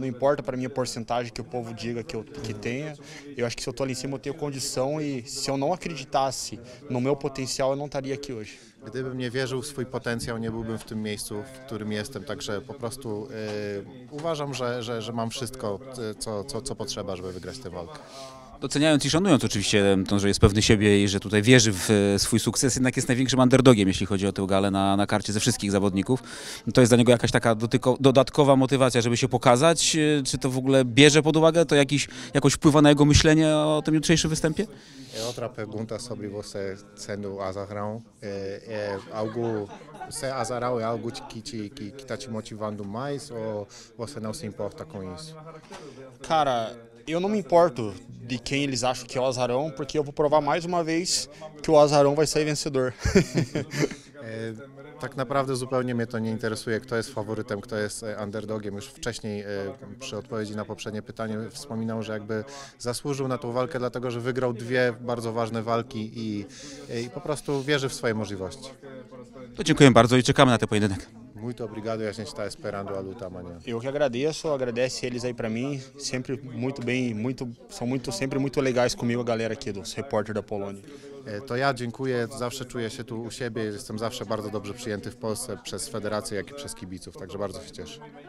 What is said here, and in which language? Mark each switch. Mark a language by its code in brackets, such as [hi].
[pt] Não importa para mim a porcentagem que o povo diga que tenha. Eu acho que se eu estou ali em cima, eu tenho condição. E se eu não acreditasse no meu potencial, eu não estaria aqui hoje. [pl] Gdybym nie wierzył w swój potencjał, nie byłbym w tym miejscu, w którym jestem. Także po prostu uważam, że mam wszystko, co potrzeba, żeby wygrać tę walkę. Doceniając i szanując oczywiście to, że jest pewny siebie i że tutaj wierzy w swój sukces, jednak jest największym underdogiem, jeśli chodzi o tę galę na karcie ze wszystkich zawodników. To jest dla niego jakaś taka dodatkowa motywacja, żeby się pokazać? Czy to w ogóle bierze pod uwagę? To jakoś wpływa na jego myślenie o tym jutrzejszym występie? [pt] Outra pergunta sobre você sendo azarão, é algo, ser azarão é algo que está te motivando mais ou você não se importa com isso? Cara, eu não me importo de quem eles acham que é o azarão, porque eu vou provar mais uma vez que o azarão vai sair vencedor. [pl] Tak naprawdę zupełnie mnie to nie interesuje, kto jest faworytem, kto jest underdogiem. Już wcześniej przy odpowiedzi na poprzednie pytanie wspominał, że jakby zasłużył na tą walkę, dlatego że wygrał dwie bardzo ważne walki i po prostu wierzy w swoje możliwości. To dziękuję bardzo i czekamy na ten pojedynek. [pt] Muito obrigado e a gente está esperando a luta amanhã. Eu que agradeço, agradece eles aí para mim, sempre muito bem, muito, são muito, sempre muito legais comigo a galera aqui dos repórter da Polônia. [pl] To ja dziękuję, zawsze czuję się tu u siebie, jestem zawsze bardzo dobrze przyjęty w Polsce przez federację, jak i przez kibiców, także bardzo się cieszę.